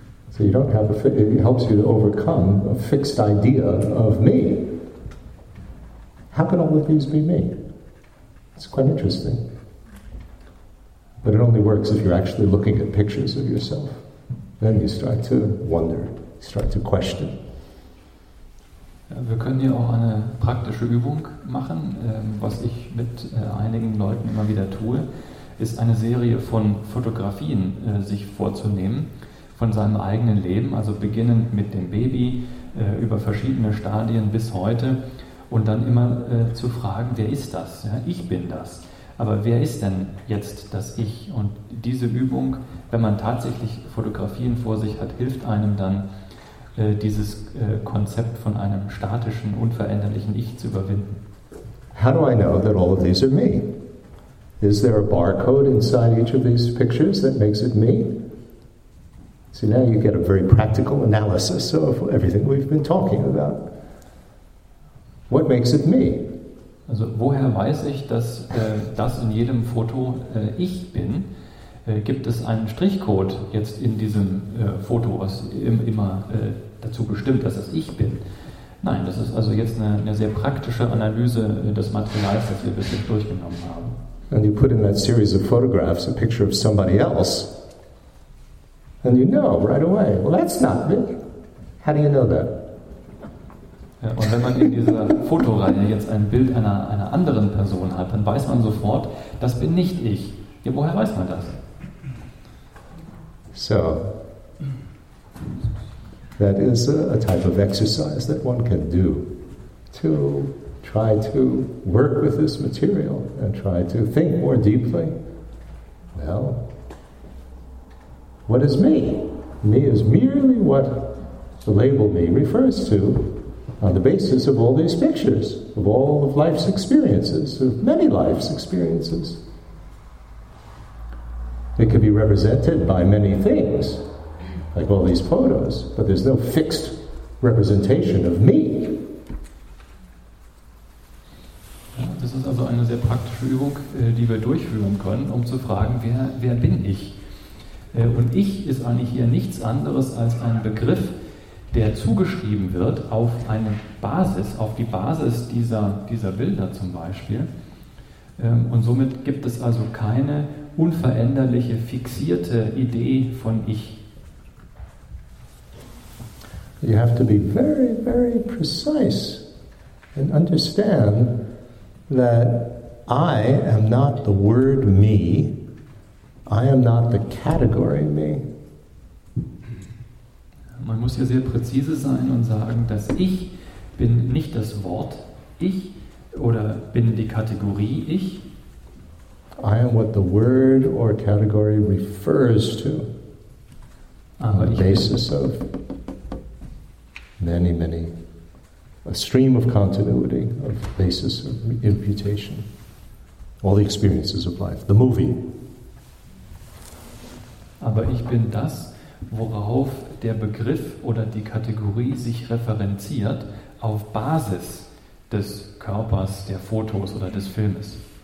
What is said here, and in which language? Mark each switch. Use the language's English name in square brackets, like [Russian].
[English] So you don't have it helps you to overcome a fixed idea of me. How can all of these be me? It's quite interesting. But it only works if you're actually looking at pictures of yourself. Then you start to wonder, you start to question. [German] Wir können hier auch eine praktische Übung machen. Was ich mit einigen Leuten immer wieder tue, ist eine Serie von Fotografien sich vorzunehmen von seinem eigenen Leben, also beginnend mit dem Baby, über verschiedene Stadien bis heute und dann immer zu fragen, wer ist das? Ja, ich bin das. Aber wer ist denn jetzt das Ich? Und diese Übung, wenn man tatsächlich Fotografien vor sich hat, hilft einem dann, dieses Konzept von einem statischen, unveränderlichen Ich zu überwinden. [English] How do I know that all of these are me? Is there a barcode inside each of these pictures that makes it me? So now you get a very practical analysis of everything we've been talking about. What makes it me? [German] Also woher weiß ich, dass das in jedem Foto ich bin? Gibt es einen Strichcode jetzt in diesem Foto, was immer dazu bestimmt, dass es ich bin? Nein, das ist also jetzt eine sehr praktische Analyse des Materials, das wir bisher durchgenommen haben. [English] And you put in that series of photographs a picture of somebody else, and you know right away, well, that's not me. How do you know that? [German] Ja, und wenn man in dieser Fotoreihe jetzt ein Bild einer anderen Person hat, dann weiß man sofort, das bin nicht ich. Ja, woher weiß man das? [English] So, that is a type of exercise that one can do to try to work with this material and try to think more deeply. Well, what is me? Me is merely what the label me refers to on the basis of all these pictures, of all of life's experiences, of many life's experiences. It could be represented by many things, like all these photos, but there's no fixed representation of me. [German] Ja, das ist also eine sehr praktische Übung, die wir durchführen können, um zu fragen, wer bin ich? Und ich ist eigentlich hier nichts anderes als ein Begriff, der zugeschrieben wird auf eine Basis, auf die Basis dieser Bilder zum Beispiel. Und somit gibt es also keine unveränderliche, fixierte Idee von Ich. [English] You have to be very, very precise and understand that I am not the word me. I am not the category me. [German] Man muss hier sehr präzise sein und sagen, dass ich bin nicht das Wort ich oder bin die Kategorie ich. [English] I am what the word or category refers to. [German] Aber [English] on the basis of many, many, a stream of continuity, of basis of imputation, all the experiences of life, the movie. [German] Aber ich bin das, worauf der Begriff oder die Kategorie sich referenziert, auf Basis des Körpers, der Fotos oder des Filmes.